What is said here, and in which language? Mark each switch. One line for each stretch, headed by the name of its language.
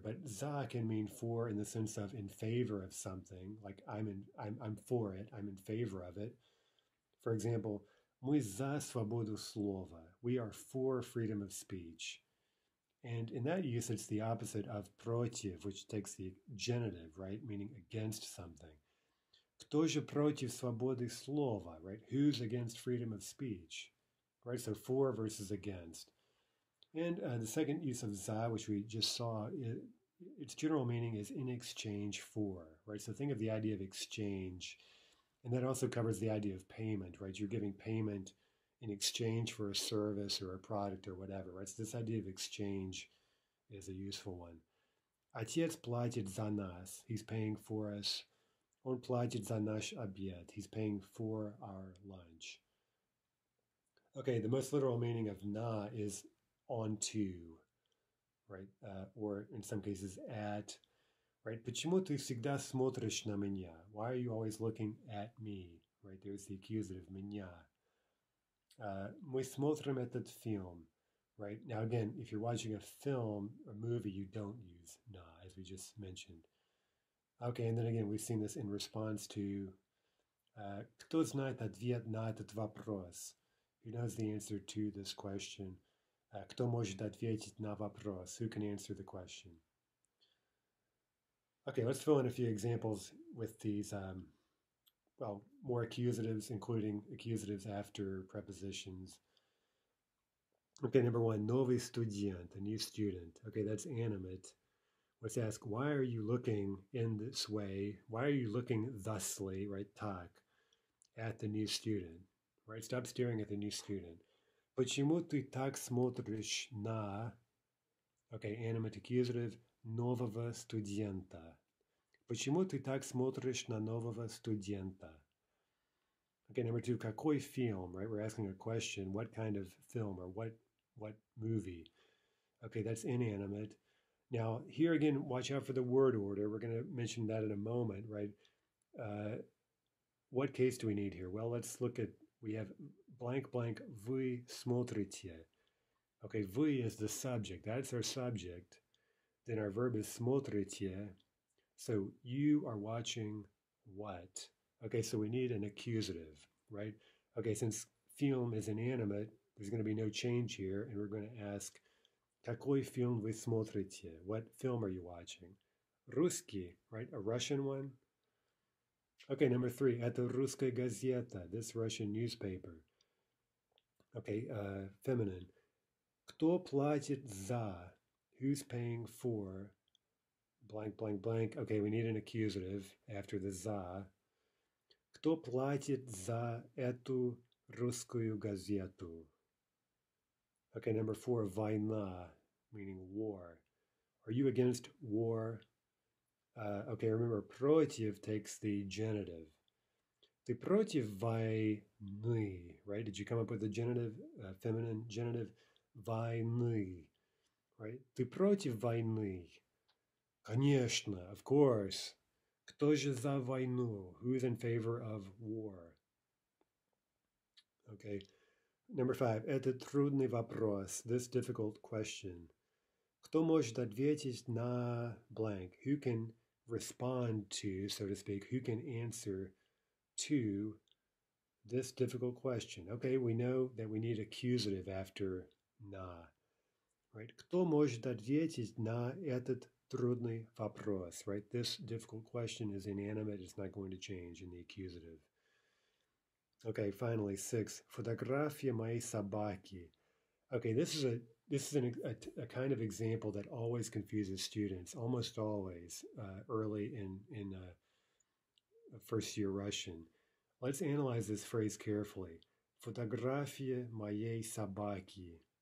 English: But за can mean for in the sense of in favor of something, like I'm for it, I'm in favor of it. For example,
Russian: мы за свободу слова.
English: We are for freedom of speech. And in that use, it's the opposite of против, which takes the genitive, right, meaning against something.
Russian: Кто же против свободы слова, right?
English: Who's against freedom of speech, right? So for versus against. And the second use of за, which we just saw, its general meaning is in exchange for, right? So think of the idea of exchange. And that also covers the idea of payment, right? You're giving payment in exchange for a service or a product or whatever, right? So this idea of exchange is a useful one.
Russian: Отец платит за нас.
English: He's paying for us.
Russian: Он платит за наш обед.
English: He's paying for our lunch. Okay, the most literal meaning of на is onto, right? Or in some cases, at. Right?
Russian: Почему ты всегда смотришь на меня?
English: Why are you always looking at me? Right? There's the accusative, меня.
Russian: Мы смотрим этот фильм. Right?
English: Now again, if you're watching a film or movie, you don't use на, as we just mentioned. Okay, and then again, we've seen this in response to
Russian: кто знает ответ на этот вопрос?
English: Who knows the answer to this question?
Russian: Кто может ответить на вопрос?
English: Who can answer the question? Okay, let's fill in a few examples with these, more accusatives, including accusatives after prepositions. Okay, number one,
Russian: новый студент,
English: a new student. Okay, that's animate. Let's ask, why are you looking in this way? Why are you looking thusly, right, так, at the new student? Right, stop staring at the new student.
Russian: Почему ты так смотришь на,
English: okay, animate accusative,
Russian: нового студента? Почему ты так смотришь на нового студента?
English: Okay, number two,
Russian: какой фильм,
English: right? We're asking a question, what kind of film or what movie? Okay, that's inanimate. Now, here again, watch out for the word order. We're going to mention that in a moment, right? What case do we need here? Well, let's look at, we have blank, blank,
Russian: вы смотрите.
English: Okay, вы is the subject. That's our subject. Then our verb is смотрите. So you are watching what? Okay, so we need an accusative, right? Okay, since film is inanimate, there's going to be no change here, and we're going to ask,
Russian: какой фильм вы смотрите?
English: What film are you watching? Русский, right? A Russian one? Okay, number three,
Russian: это русская газета,
English: this Russian newspaper. Okay, feminine.
Russian: Кто платит за?
English: Who's paying for? Blank, blank, blank. Okay, we need an accusative after the за.
Russian: Кто платит за эту русскую газету?
English: Okay, number four, война, meaning war. Are you against war? Okay, remember, против takes the genitive.
Russian: Ты против войны,
English: right? Did you come up with the genitive, feminine genitive?
Russian: Войны, right? Ты против войны? Конечно,
English: of course.
Russian: Кто же за войну?
English: Who is in favor of war? Okay, number five.
Russian: Это трудный вопрос,
English: this difficult question.
Russian: Кто может ответить на blank?
English: Who can respond to, so to speak, who can answer to this difficult question. Okay, we know that we need accusative after na, right?
Russian: Кто может ответить на этот трудный вопрос, right?
English: This difficult question is inanimate. It's not going to change in the accusative. Okay, finally, six.
Russian: Фотография моей собаки.
English: Okay, this is a kind of example that always confuses students, almost always, early in first year Russian. Let's analyze this phrase carefully.
Russian: Фотография моей собаки.